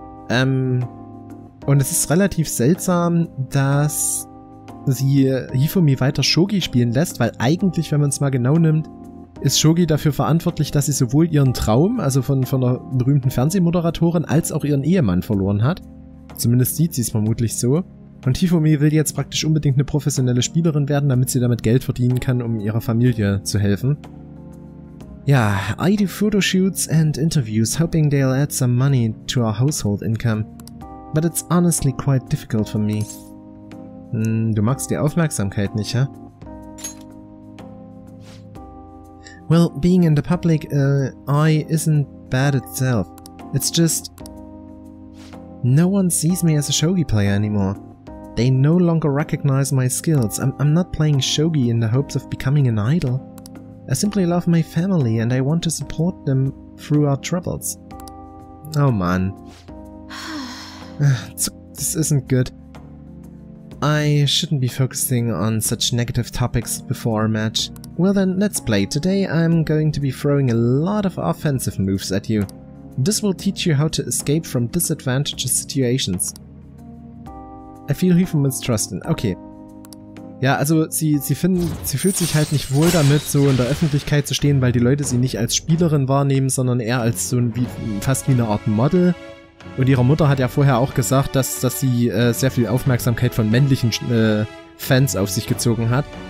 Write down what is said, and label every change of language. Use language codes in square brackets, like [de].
[de] Und es ist relativ seltsam, dass sie Hifumi weiter Shogi spielen lässt, weil eigentlich, wenn man es mal genau nimmt, ist Shogi dafür verantwortlich, dass sie sowohl ihren Traum, also von der berühmten Fernsehmoderatorin, als auch ihren Ehemann verloren hat. Zumindest sieht sie es vermutlich so. Und Hifumi will jetzt praktisch unbedingt eine professionelle Spielerin werden, damit sie damit Geld verdienen kann, um ihrer Familie zu helfen. [en] Ja, I do photoshoots and interviews, hoping they'll add some money to our household income. But it's honestly quite difficult for me. [de] Du magst die Aufmerksamkeit nicht, hä? Huh? [en] Well, being in the public eye isn't bad itself. It's just... no one sees me as a shogi player anymore. They no longer recognize my skills. I'm not playing shogi in the hopes of becoming an idol. I simply love my family and I want to support them through our troubles. Oh man. This isn't good. I shouldn't be focusing on such negative topics before our match. Well then, let's play. Today I'm going to be throwing a lot of offensive moves at you. This will teach you how to escape from disadvantageous situations. I feel he from mistrusten. Okay. [de] Ja, also sie fühlt sich halt nicht wohl damit, so in der Öffentlichkeit zu stehen, weil die Leute sie nicht als Spielerin wahrnehmen, sondern eher als so ein fast wie eine Art Model. Und ihre Mutter hat ja vorher auch gesagt, dass sie sehr viel Aufmerksamkeit von männlichen Fans auf sich gezogen hat.